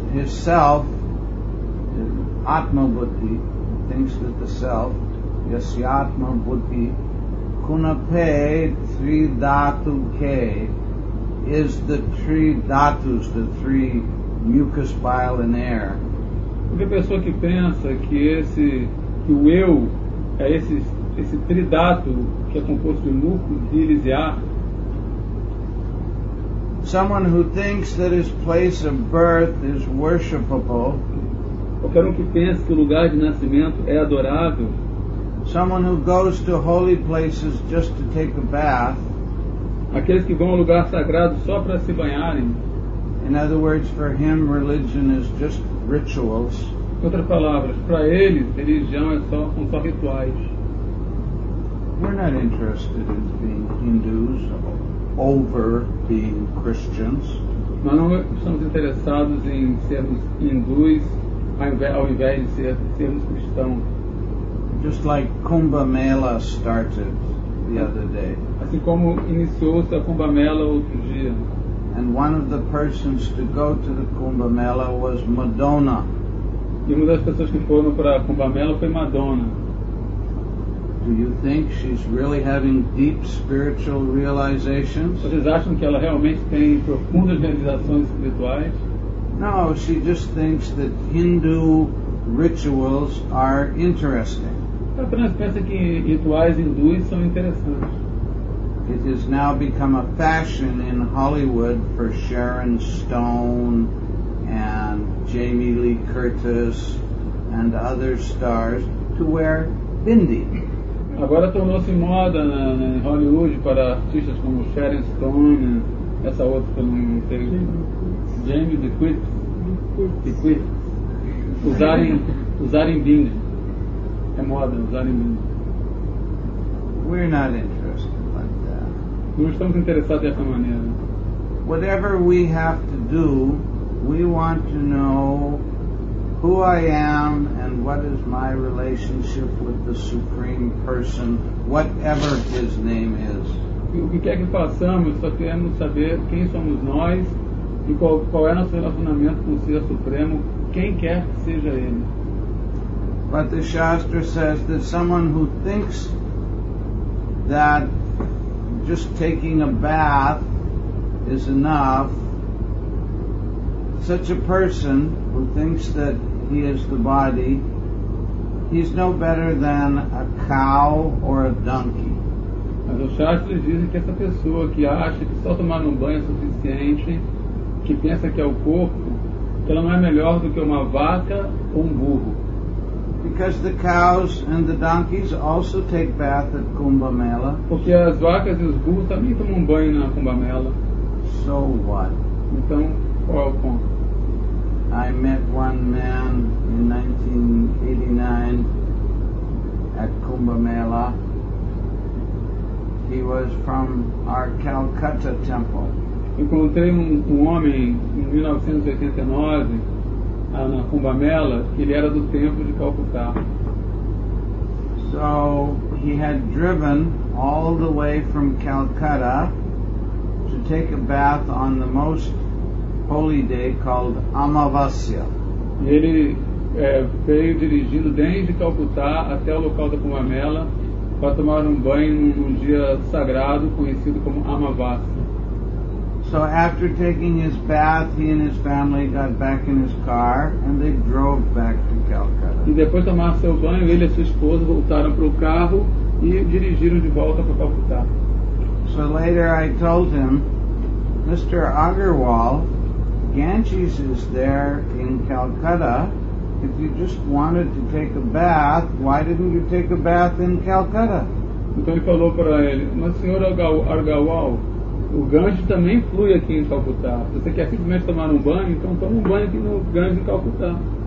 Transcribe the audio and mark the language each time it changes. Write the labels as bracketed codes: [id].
[en] his self, his Atma Buddhi, he thinks that the self, [sa] yasya Atma Buddhi, kunape tri dhatu ke, [en] is the three dhatus, the three mucus, bile, and air. [pt] Porque a pessoa que pensa que esse, que o eu é esse, esse tridato que é composto de muco, bilis e ar. [en] Someone who thinks that his place of birth is worshipable. [pt] Qualquer um que pensa que o lugar de nascimento é adorável. [en] Someone who goes to holy places just to take a bath. [pt] Aqueles que vão ao lugar sagrado só para se banharem. [en] In other words, for him, religion is just rituals. [pt] Em outras palavras, para ele, religião é só, são só rituais. [en] We're not interested in being Hindus or over being Christians. [pt] Nós não estamos interessados em sermos hindus ao invés de sermos cristãos. [en] Just like Kumbh Mela started the other day. [pt] Assim como iniciou-se a Kumbh Mela outro dia. [en] And one of the persons to go to the Kumbh Mela was Madonna. [pt] E uma das pessoas que foram para a Kumbh Mela foi Madonna. [en] Do you think she's really having deep spiritual realizations? [pt] Vocês acham que ela realmente tem profundas realizações espirituais? [en] No, she just thinks that Hindu rituals are interesting. [pt] Ela apenas pensa que rituais hindus são interessantes. [en] It has now become a fashion in Hollywood for Sharon Stone and Jamie Lee Curtis and other stars to wear bindi. [pt] Agora tornou-se moda em Hollywood para artistas como Sharon Stone e essa outra que eu não sei. Jamie Lee Curtis. Usarem bindi. É moda, usarem bindi. [en] We're not interested. [pt] Não estamos interessados dessa maneira. [en] Whatever we have to do, we want to know who I am and what is my relationship with the Supreme Person, whatever his name is. [pt] O que quer que façamos, só queremos saber quem somos nós e qual é nosso relacionamento com o Ser Supremo, quem quer que seja ele. [en] But the Shastra says that someone who thinks that just taking a bath is enough. Such a person who thinks that he is the body, he's no better than a cow or a donkey. [pt] Mas os Shastras dizem que essa pessoa que acha que só tomar um banho é suficiente, que pensa que é o corpo, que ela não é melhor do que uma vaca ou um burro. [en] Because the cows and the donkeys also take bath at Kumbh Mela. [pt] Porque as vacas e os burros também tomam um banho na Kumbh Mela. [en] So what? [pt] Então, qual é o ponto? [en] I met one man in 1989 at Kumbh Mela. He was from our Calcutta temple. [pt] Encontrei um homem em 1989 na Kumbh Mela, que ele era do templo de Calcutá. [en] So he had driven all the way from Calcutta to take a bath on the most holy day called Amavasya. [pt] Ele veio dirigindo desde Calcutá até o local da Kumbh Mela para tomar um banho num dia sagrado conhecido como Amavasya. [en] So after taking his bath, he and his family got back in his car and they drove back to Calcutta. [pt] E depois de tomar seu banho, ele e sua esposa voltaram para o carro e dirigiram de volta para Calcutá. [en] So later I told him, Mr. Agarwal, Ganges is there in Calcutta. If you just wanted to take a bath, why didn't you take a bath in Calcutta? [pt] Então ele falou para ele, mas senhor Agarwal, o Ganges também flui aqui em Calcutá. Se você quer simplesmente tomar um banho, então toma um banho aqui no Ganges em Calcutá.